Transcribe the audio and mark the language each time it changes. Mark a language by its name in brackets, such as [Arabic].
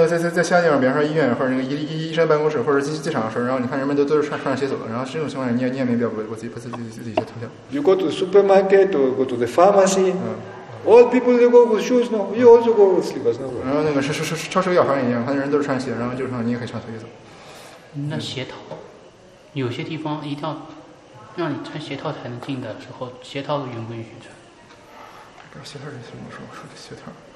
[Chinese] 在乡里面，比方说医院或者那个医生办公室或者机场的时候，然后你看人们都是穿上鞋走的，然后这种情况下你也没必要把自己鞋脱掉。 [English] You go to the supermarket or go to the pharmacy. All people that go with shoes, no. You also go with slippers, no. [Chinese] 然后那个是超市药房一样，看人都是穿鞋，然后就是说你也可以穿拖鞋走。那鞋套，有些地方一定要让你穿鞋套才能进的时候，鞋套允不允许穿？鞋套是什么时候说的鞋套？